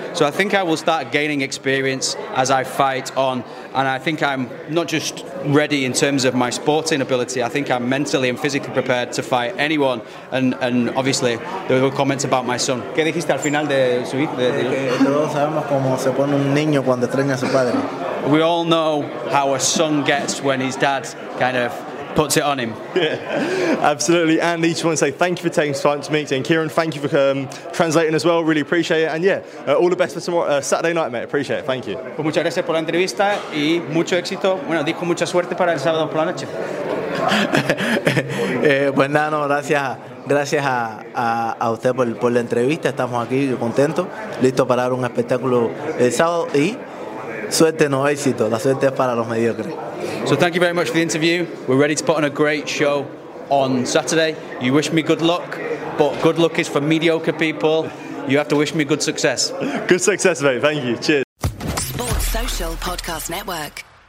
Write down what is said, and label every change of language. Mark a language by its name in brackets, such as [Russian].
[English] So I think I will start gaining experience as I fight on, and I think I'm not just ready in terms of my sporting ability, I think I'm mentally and physically prepared to fight anyone, and obviously there were comments about my son. [Spanish] ¿Qué dijiste al final de su hijo? Todos sabemos cómo se pone un niño cuando extraña a su padre. [English] We all know how a son gets when his dad kind of puts it on him. Yeah, absolutely. And each one say thank you for taking time to meet. And Kieran, thank you for translating as well. Really appreciate it. And yeah, all the best for tomorrow, Saturday night, mate. Appreciate it. Thank you. [Spanish] Pues muchas gracias por la entrevista y mucho éxito. Bueno, dijo mucha suerte para el sábado por la noche. Pues nada, no, gracias a usted por la entrevista. Estamos aquí contentos, listos para dar un espectáculo el sábado y suerte no éxito. La suerte es para los mediocres. [English] So thank you very much for the interview. We're ready to put on a great show on Saturday. You wish me good luck, but good luck is for mediocre people. You have to wish me good success. Good success, mate. Thank you. Cheers. Sports Social Podcast Network.